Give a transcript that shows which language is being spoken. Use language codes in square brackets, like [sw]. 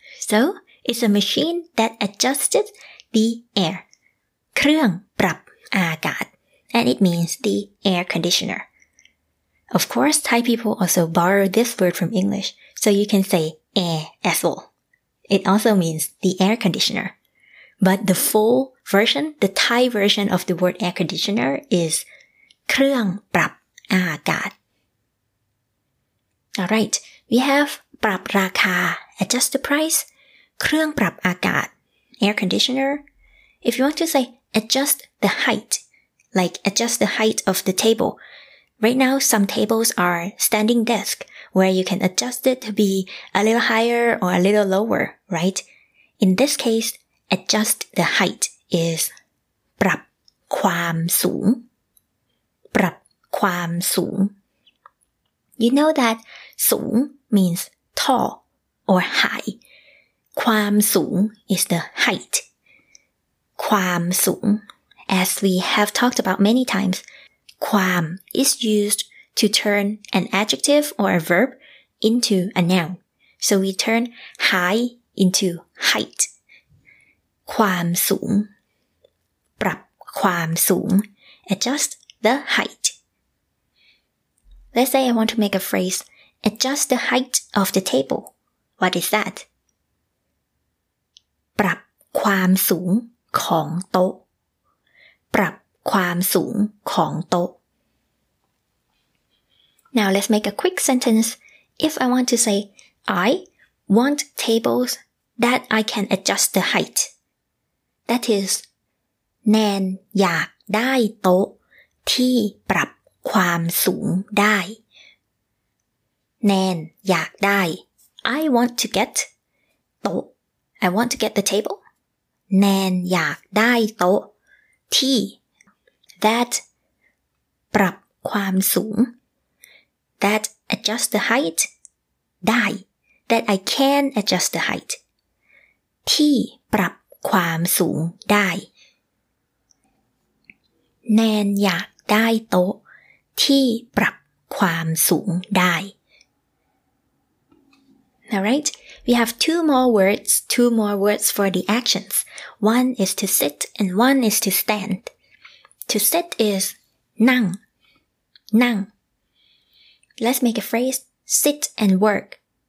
[en] So it's a machine that adjusted the air. เครื่องปรับอากาศ And it means the air conditioner. Of course, Thai people also borrow this word from English, so you can say air as well. It also means the air conditioner. But the full version, the Thai version of the word air conditioner is เครื่องปรับอากาศ Alright, we have [th] ปรับราคา [en] adjust the price, เครื่องปรับอากาศ air conditioner. If you want to say adjust the height, like adjust the height of the table. Right now, some tables are standing desk where you can adjust it to be a little higher or a little lower, right? In this case, adjust the height is [th] ปรับความสูง ปรับความสูง [en] You know that สูง means tall or high. ความสูง is the height. ความสูง As we have talked about many times, ความ is used to turn an adjective or a verb into a noun. So we turn high into height. [th] ความสูงปรับความสูง [en] adjust the height. Let's say I want to make a phrase, adjust the height of the table. What is that? [th] ปรับความสูงของโต๊ะปรับความสูงของโต๊ะ [en] Now let's make a quick sentence. If I want to say, I want tables that I can adjust the height. That is, [th] แนนอยากได้โต๊ะที่ปรับความสูงได้แนนอยากได้ [en] I want to get โต๊ะ I want to get the table [th] แนนอยากได้โต๊ะที่ [en] that [th] ปรับความสูง [en] that adjust the height [th] ได้ [en] that I can adjust the height [th] ที่ปรับความสูงได้แนนอยากได้โต๊ะที่ปรับความสูงได้ [en] Alright, we have two more words for the actions. One is to sit and one is to stand. To sit is นั่ง นั่ง Let's make a phrase sit and work.